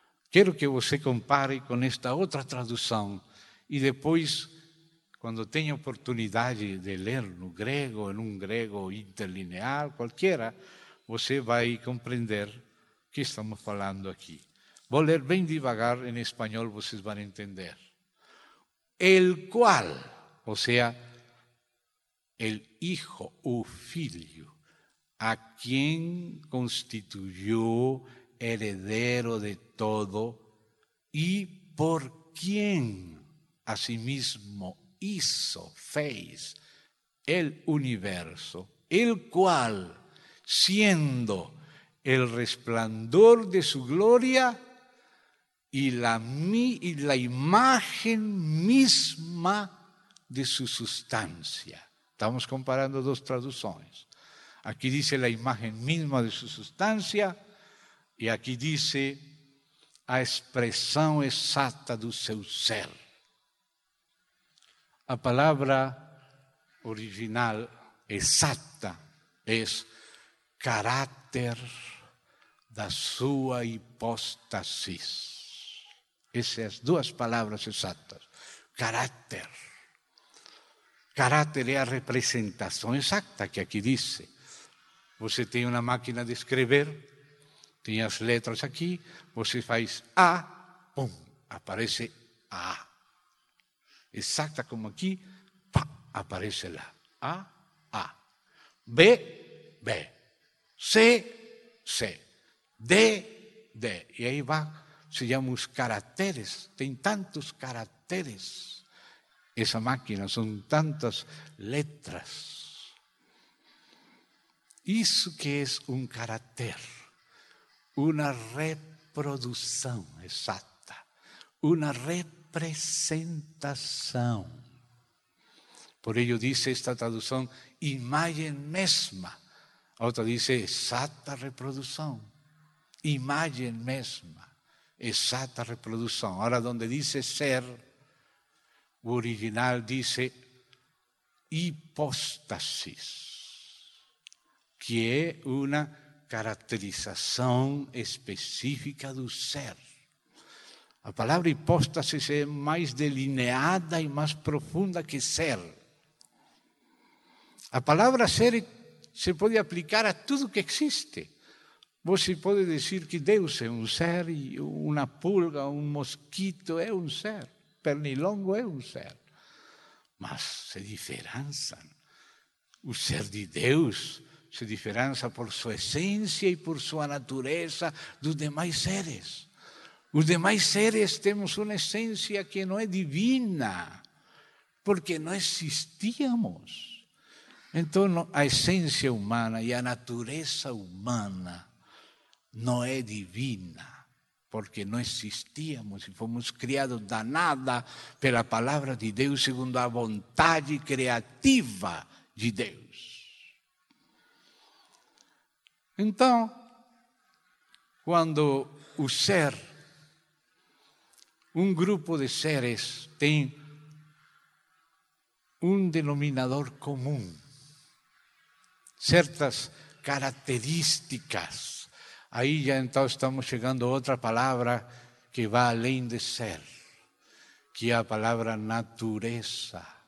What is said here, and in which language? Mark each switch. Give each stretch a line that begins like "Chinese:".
Portuguese: Quero que você compare com esta outra tradução e depois, quando tenha oportunidade de ler no grego, em um grego interlinear, qualquera, você vai compreender o que estamos falando aqui. Vou ler bem devagar, em espanhol vocês vão entender.
Spanish: El cual,
Portuguese: ou seja,
Spanish: el hijo,
Portuguese: o filho, a quem constituiu
Spanish: heredero de todo
Portuguese: e por quem a si mesmo
Spanish: hizo,
Portuguese: fez
Spanish: el universo, el cual, siendo el resplandor de su gloria y la imagen misma de su sustancia. Estamos comparando dos traducciones. Aquí dice la imagen misma de su sustancia y aquí dice la expresión exacta de su ser.
Portuguese: A palavra original, exata, é caráter da sua hipóstasis. Essas são as duas palavras exatas. Caráter. Caráter é a representação exata que aqui diz. Você tem uma máquina de escrever, tem as letras aqui, você faz A, pum, aparece A.
Spanish: Exacta como aquí, pa, aparece la A, A, B, B, C, C, D, D. Y ahí va, se llama los caracteres, tiene tantos caracteres. Esa máquina son tantas letras. Eso que es un carácter, una reproducción exacta, una reproducción.
Portuguese: Representação.
Spanish: Por ello dice esta traducción, imagen mesma. Otra dice, exacta reproducción. Imagen mesma. Exacta reproducción. Ahora donde dice ser, el original dice hipóstasis, que es una caracterización específica del ser.
Portuguese: A palavra hipóstasis é mais delineada e mais profunda que ser. A palavra ser se pode aplicar a tudo que existe. Você pode dizer que Deus é um ser e uma pulga, um mosquito é um ser. Pernilongo é um ser. Mas se diferenciam. O ser de Deus se diferencia por sua essência e por sua natureza dos demais seres. Os demais seres temos uma essência que não é divina, porque não existíamos. Então, a essência humana e a natureza humana não é divina, porque não existíamos e fomos criados da nada pela palavra de Deus, segundo a vontade criativa de Deus. Então,
Spanish: Cuando un ser, un grupo de seres, tiene un denominador común, ciertas características, ahí ya entonces estamos llegando a otra palabra que
Portuguese: va além de ser, que é a palavra natureza.